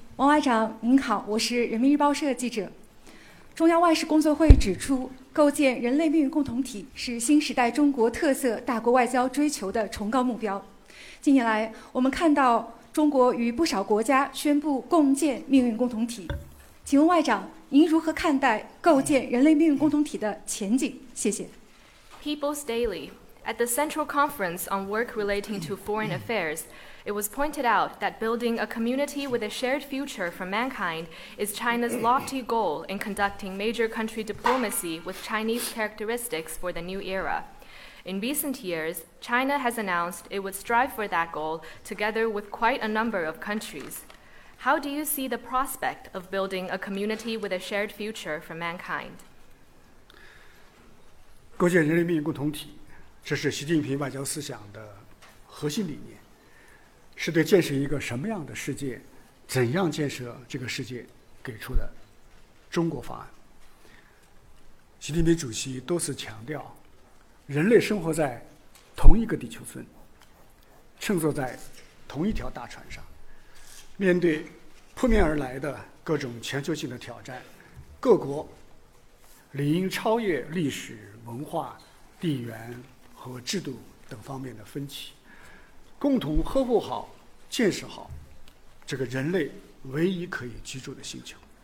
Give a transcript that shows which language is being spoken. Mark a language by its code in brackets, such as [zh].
[zh] 王外长您好，我是人民日报社记者。中央外事工作会指出，构建人类命运共同体是新时代中国特色大国外交追求的崇高目标。近年来，我们看到中国与不少国家宣布共建命运共同体。请问外长，您如何看待构建人类命运共同体的前景？谢谢。 [en] People's Daily. At the Central Conference on Work Relating to Foreign Affairs, it was pointed out that building a community with a shared future for mankind is China's lofty goal in conducting major country diplomacy with Chinese characteristics for the new era. In recent years, China has announced it would strive for that goal together with quite a number of countries. How do you see the prospect of building a community with a shared future for mankind? [zh] 构建人类命运共同体，这是习近平外交思想的核心理念，是对建设一个什么样的世界、怎样建设这个世界给出的中国方案。习近平主席多次强调，人类生活在同一个地球村，乘坐在同一条大船上，面对扑面而来的各种全球性的挑战，各国理应超越历史、文化、地缘和制度等方面的分歧，共同呵护好、建设好这个人类唯一可以居住的星球。